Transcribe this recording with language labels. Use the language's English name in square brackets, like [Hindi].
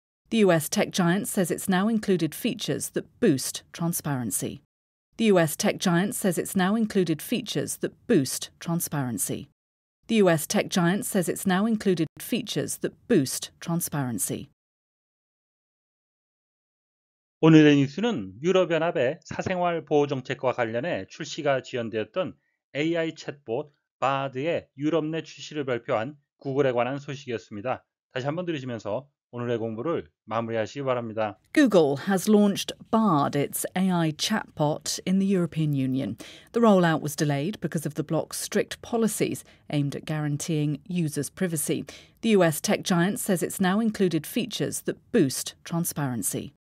[English] The US tech giant says it's now included features that boost transparency. The US tech giant says it's now included features that boost transparency. The US tech giant says it's now included features that boost transparency. [Korean] 오늘의 뉴스는 유럽연합의 사생활 보호 정책과 관련해 출시가 지연되었던 AI 챗봇 Bard의 유럽 내 출시를 발표한 구글에 관한 소식이었습니다. 다시 한번 들으시면서 오늘의 공부를 마무리하시기 바랍니다. [English] Google has launched Bard, its AI chatbot, in the European Union. The rollout was delayed because of the bloc's strict policies aimed at guaranteeing users' privacy. The US tech giant says it's now included features that boost transparency.